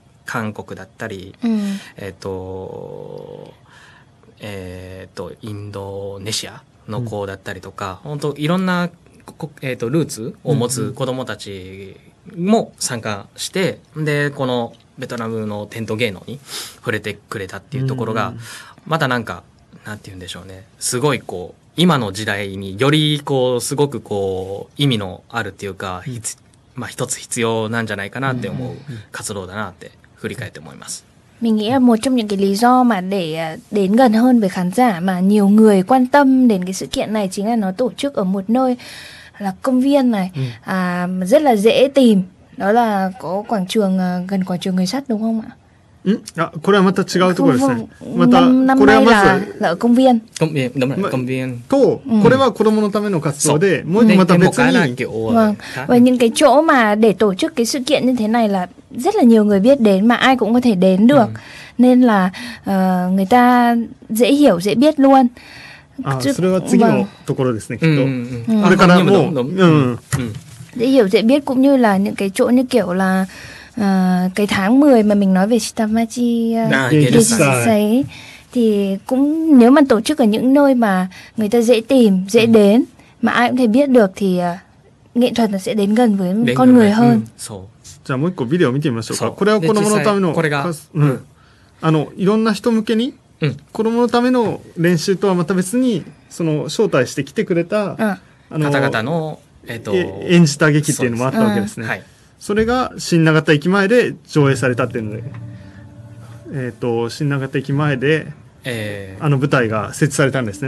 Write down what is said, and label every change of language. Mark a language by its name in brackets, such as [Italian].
[Japanese] 韓国だったり、インドネシアの子だったりとか、本当いろんな、ルーツを持つ子供たちも参加して、で、この、ベトナムの伝統芸能に触れてくれたっていうところが、またなんか、なんて言うんでしょうね。すごいこう、今の時代によりこう、すごくこう、意味のあるっていうか、まあ一つ必要なんじゃないかなって思う活動だなって振り返って思います。 [Vietnamese] Mình nghĩ là một trong những cái lý do mà để đến gần hơn với khán giả mà nhiều người quan tâm đến cái sự kiện này chính là nó tổ chức ở một nơi là công viên này, rất là dễ tìm. Đó là có quảng trường, gần quảng trường người sắt đúng không ạ? [Japanese] これはまた違うところですね。また、これはまず、 [Vietnamese] là ở công viên. Công viên, đúng rồi, công viên. [Japanese] と、これは子供のための活動で、もう一個また別に。 [Vietnamese] Vâng, và những cái chỗ mà để tổ chức cái sự kiện như thế này là rất là nhiều người biết đến mà ai cũng có thể đến được. Nên là người ta dễ hiểu, dễ biết luôn. [Japanese] それは次のところですね、きっと。あれからも、 [Vietnamese] dễ hiểu dễ biết cũng như là những cái chỗ như kiểu là cái tháng 10 mà mình nói về Shitamachi Gesai thì cũng nếu mà tổ chức ở những nơi mà người ta dễ tìm, dễ đến mà ai cũng thể biết được thì nghệ thuật nó sẽ đến gần với con người hơn. [Japanese] じゃあもう一個ビデオ見てみましょうか。これは子供のためのこれが、いろんな人向けに子供のための練習とはまた別にその招待してきてくれた方々の演じた劇っていうのもあったわけですね。はい、それが新長田駅前で上映されたっていうので、新長田駅前で、あの舞台が設置されたんですね。